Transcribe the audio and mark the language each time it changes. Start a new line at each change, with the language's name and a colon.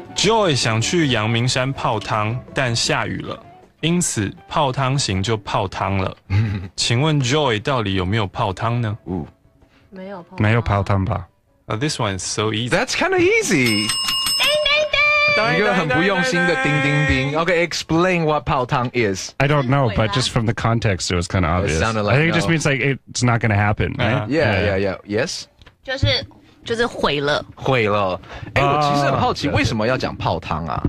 Chinese: Joy 想去阳明山泡汤，但下雨了，因此泡汤行就泡汤了。请问 Joy 到底有没有泡汤呢？没有泡，没有泡汤吧。
English: This one is so easy. That's kind of easy.
Chinese: 一个很不用心的叮叮叮。
English: Okay, explain what 泡汤 is. I don't know, but just from the context, it was kind of obvious. It sounded like I think it just means like it's not going to happen. Right? Yeah. Yes?
Chinese: 就是毁了。毁了。欸，我其实很好奇为什么要讲泡汤啊。